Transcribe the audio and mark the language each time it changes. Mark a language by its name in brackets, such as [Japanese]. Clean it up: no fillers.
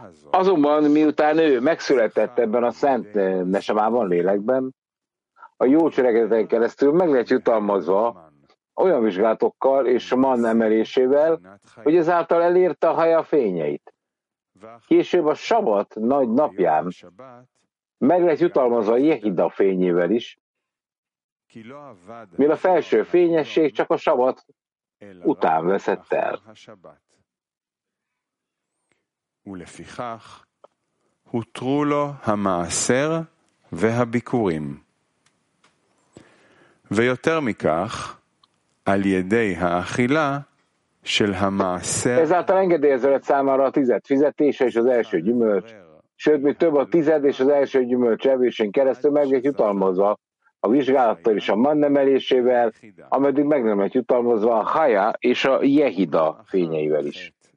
[Hungarian] Azonban, miután ő megszületett ebben a szent nesemában lélekben, a jó cselekedeten keresztül meg lehet jutalmazva olyan vizsgálatokkal és man emelésével, hogy ezáltal elérte a haja fényeit. Később a sabat nagy napján meg lehet jutalmazva a Jehida fényével is, mivel a felső fényesség csak a sabat után veszett el. [Hebrew] ולפיכך הותרו לו המעשר והביקורים. ויותר מכך, על ידי האכילה של המעשר... [Hungarian] ezáltal engedély ezzel lett számára a tized fizetése és az első gyümölcs, sőt, mi több a tized és az első gyümölcs evésén keresztül meg lett jutalmazva a vizsgálattal és a mannemelésével, ameddig meg nem lett jutalmazva a haja és a jehida fényeivel is.